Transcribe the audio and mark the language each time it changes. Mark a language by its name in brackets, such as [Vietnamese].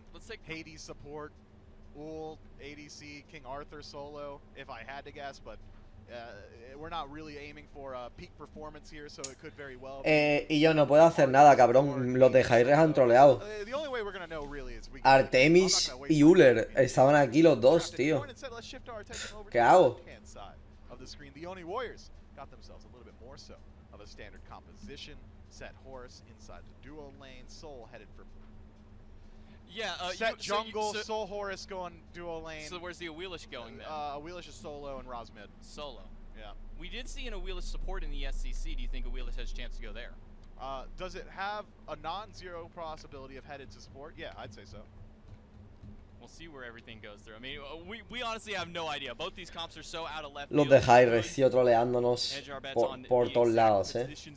[English] let's take Hades support, Ul, ADC, King Arthur solo, if I had to guess, but We're not really aiming for a peak performance here, so it could very well [Spanish] be... y yo no puedo hacer nada, cabrón. Los de Jairres han troleado. [English] The only way we're gonna know really is we... [Spanish] Artemis y Uller estaban aquí los dos, tío. ¿Qué hago? [English] The Oni Warriors got themselves a little bit more so of a standard composition. Set Horus inside the duo lane. Soul headed for... Yeah, Soul Horus going duo lane. So where's the Awilish going then? Awilish is solo and Ross mid. Solo. Yeah. We did see an Awilish support in the SCC. Do you think Awilish has a chance to go there? Does it have a non-zero possibility of headed to support? Yeah, I'd say so. We'll see where everything goes through. I mean, we honestly have no idea. Both these comps are so out of left. [Spanish] Los de Jairres, tío, troleándonos por todos lados, eh.